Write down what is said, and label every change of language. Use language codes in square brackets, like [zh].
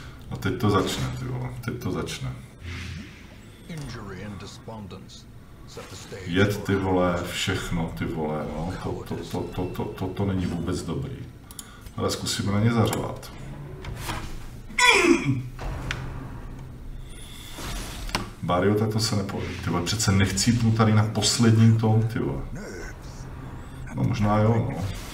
[cs] A teď to začne, ty vole, teď to začne. [en] Injury and despondence set the stage. [cs] Jed, ty vole, všechno, ty vole, no, to není vůbec dobrý. Ale zkusíme na ně zařvat. Bario, tak to se nepovede, ty vole, přece nechcípnu tady na posledním tom, ty vole. No možná jo, no.